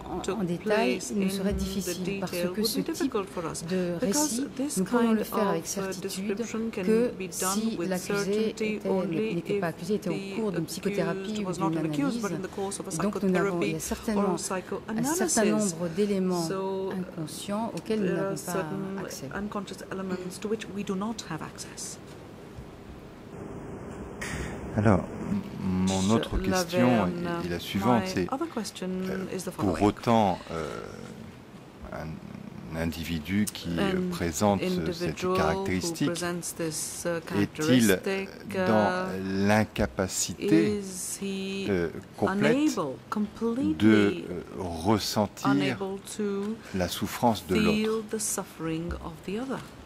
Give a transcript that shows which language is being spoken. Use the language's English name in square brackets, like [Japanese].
[French] en détail, nous serait difficile parce que ce type de récit, nous pouvons le faire avec certitude que si l'accusé n'était pas accusé, était au cours d'une psychothérapie ou d'une analyse, donc nous avons, il y a certainement un certain nombre d'éléments inconscients auxquels nous n'avons pas accès. [English] Elements to which we do not have access. [French] Alors, mon autre question est la suivante, c'est pour autant un individu qui présente cette caractéristique est-il dans l'incapacité complète de ressentir la souffrance de l'autre?